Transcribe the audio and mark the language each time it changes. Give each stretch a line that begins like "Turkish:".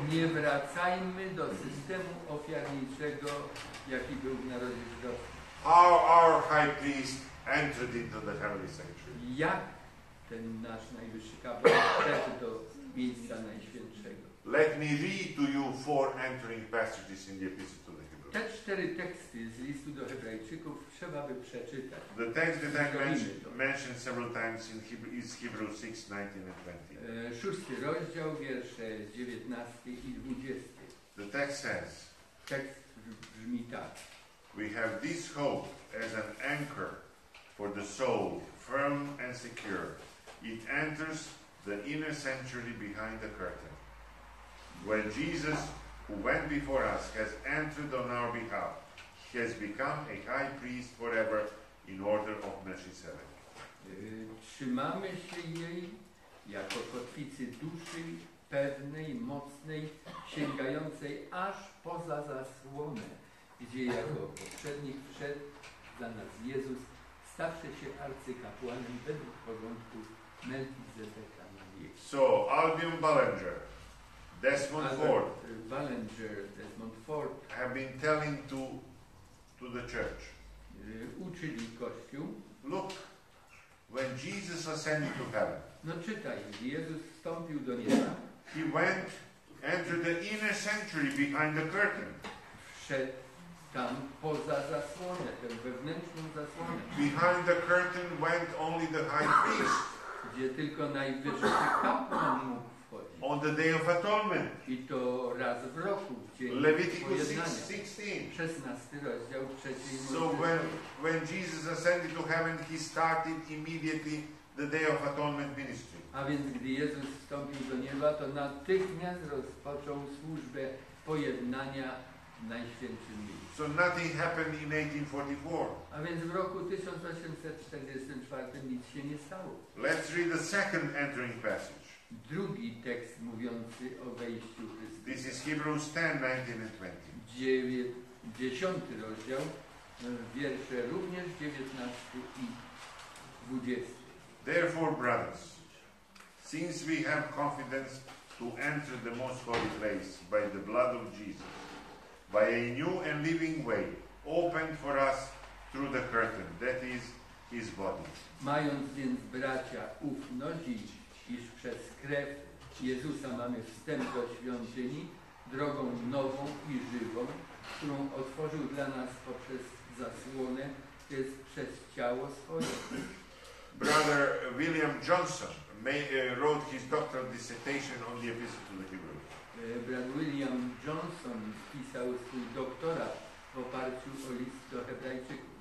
Polish: Nie wracajmy do systemu ofiarniczego, jaki był w narodzie żydowskim.
English: How our high priest entered into the heavenly sanctuary.
Polish: Jak ten nasz najwyższy kapłan wszedł do miejsca najświętszego.
English: Let me read to you four entering passages in the Epistle to the Hebrews.
Polish: Te cztery teksty z listu do Hebrajczyków trzeba by przeczytać.
English: The text that I mentioned several times in Hebrews 6, 19 and 20.
Polish: Szósty rozdział, wiersze 19 i 20.
English: The text says,
Polish: tekst brzmi tak.
English: We have this hope as an anchor for the soul, firm and secure. It enters the inner sanctuary behind the curtain. When Jesus, who went before us, has entered on our behalf, he has become a high priest forever in order of Melchizedek.
Polish: Trzymamy się jej jako kotwicy duszy, pewnej, mocnej, sięgającej aż poza zasłonę, gdzie jako poprzednik wszedł dla nas Jezus, stawszy się arcykapłanem według porządku Melchizedeka.
English: So, Albion Ballinger, Desmond Ford, Ballinger, Desmond Ford have been telling to the church.
Polish: Uczyli Kościół.
English: Look, when Jesus ascended to heaven.
Polish: No czytaj, gdy Jezus wstąpił do nieba.
English: He went into the inner sanctuary behind the curtain.
Polish: Wszedł tam poza zasłonę, tę wewnętrzną zasłonę.
English: Behind the curtain went only the high priest.
Polish: Gdzie tylko najwyższy kapłan mógł.
English: On the Day of Atonement.
Polish: I to raz w roku,
English: Leviticus 16.
Polish: 16 rozdział, trzeciej Mojżeszowej.
English: So when Jesus ascended to heaven, he started immediately the Day of Atonement ministry.
Polish: A więc gdy Jezus wstąpił do nieba, to natychmiast rozpoczął służbę pojednania najświętszym miejscu.
English: So nothing happened in 1844.
Polish: A więc w roku 1844 nic się nie stało.
English: Let's read the second entering passage.
Polish: Drugi tekst mówiący o wejściu Chrystusa.
English: This is Hebrews 10, 19 and 20.
Polish: 10 rozdział, wiersze również 19 i 20.
English: Therefore, brothers, since we have confidence to enter the most holy place by the blood of Jesus, by a new and living way opened for us through the curtain, that is his body.
Polish: Mając więc, bracia, ufność, iż przez krew Jezusa mamy wstęp do świątyni drogą nową i żywą, którą otworzył dla nas poprzez zasłonę, to jest przez ciało swoje.
English: Brother William Johnson wrote his doctoral dissertation on the Epistle to the Hebrews.
Polish: Brother William Johnson pisał swój doktorat w oparciu o list do Hebrajczyków.